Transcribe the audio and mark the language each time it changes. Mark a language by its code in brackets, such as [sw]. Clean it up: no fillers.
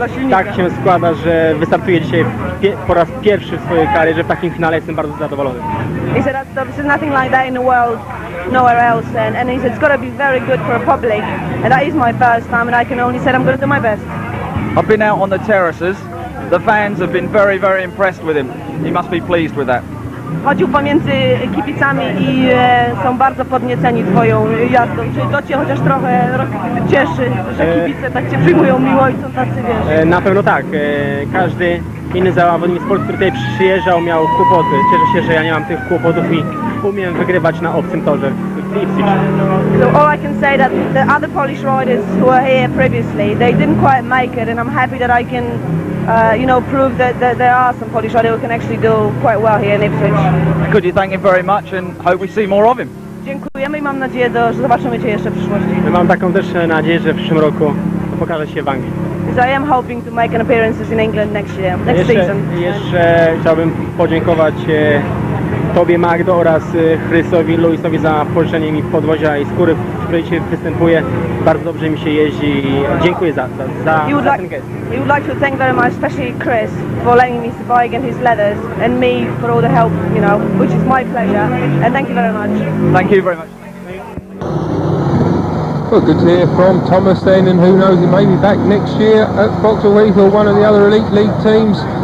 [pl] Tak się składa, że wystartuję dzisiaj po raz pierwszy w swojej karierze w takim finale. Jestem bardzo zadowolony. [en] He said this is nothing like that in the world, nowhere else. And he said it's got to be very good for a public. And that is my first time and I can only say I'm going to do my best. I've been out on the terraces. The fans have been very, very impressed with him. He must be pleased with that. [pl] Chodził pomiędzy kibicami i są bardzo podnieceni twoją jazdą. Czy to cię chociaż trochę cieszy, że kibice tak cię przyjmują miło i są tacy, wiesz? Na pewno tak. Każdy inny zawodnik z Polski, który tutaj przyjeżdżał, miał kłopoty. Cieszę się, że ja nie mam tych kłopotów i umiem wygrywać na obcym torze. [en] So all I can say that the other Polish riders who were here previously, they didn't quite make it, and I'm happy that I can prove that there are some Polish riders who can actually do quite well here in Ipswich. Could you thank him very much and hope we see more of him? [pl] Dziękujemy i mam nadzieję, że zobaczymy cię jeszcze w przyszłości. Mam taką też nadzieję, że w przyszłym roku pokażę się w Anglii. [en] So I am hoping to make an appearance in England next season. [pl] Jeszcze chciałbym podziękować Tobie, Magdo, oraz Chrysowi, Luisowi za poruszenie mi podwozia i skóry, w której się występuje. Bardzo dobrze mi się jeździ i dziękuję za ten gest. [en] He would like to thank very much, especially Chris, for letting me survive in his leathers, and me for all the help, you know, which is my pleasure. And thank you very much. Thank you very much. Well, good to hear from Thomas then, and who knows, he may be back next year at Foxhall Heath or one of the other Elite League teams.